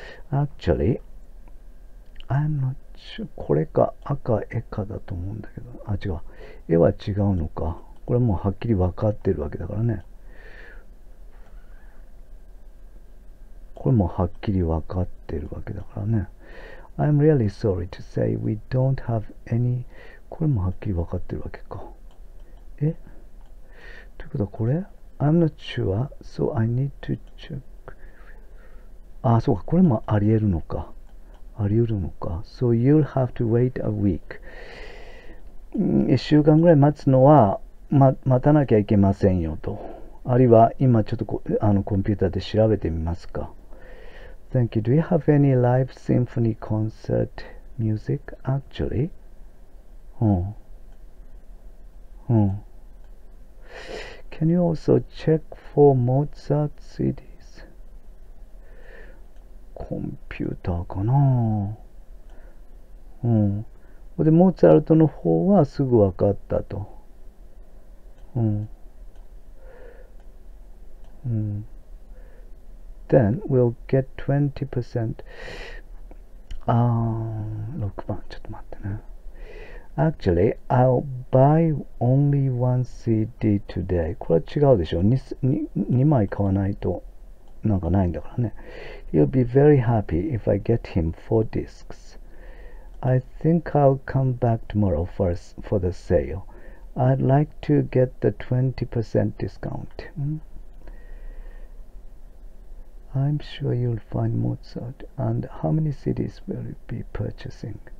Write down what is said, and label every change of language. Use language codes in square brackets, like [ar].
[en] Actually, I'm not sure. [ja] これか赤絵かだと思うんだけど。あ、違う。絵は違うのか。これもうはっきり分かってるわけだからね。これもはっきり分かってるわけだからね。 [en] I'm really sorry to say we don't have any. [ja] これもはっきり分かってるわけか。え？ということはこれ？ [en] I'm not sure, so I need to check. [ja] ああ、そうか。これもありえるのか。ありうるのか。 [en] So you'll have to wait a week. [ja] 1週間ぐらい待つのは、待たなきゃいけませんよと。あるいは、今ちょっとコンピューターで調べてみますか。 [en] Thank you. Do you have any live symphony concert music, actually? Can you also check for Mozart CDs? [ja] コンピューターかな。で、モーツァルトの方はすぐ分かったと。 [en] Then we'll get 20%. [ja] 6番、ちょっと待ってね。 [en] Actually, I'll buy only one CD today. [ja] これは違うでしょ。 2枚買わないとなんかないんだからね。 [en] He'll be very happy if I get him four discs. I think I'll come back tomorrow for the sale. I'd like to get the 20% discount. I'm sure you'll find Mozart. And how many CDs will you be purchasing?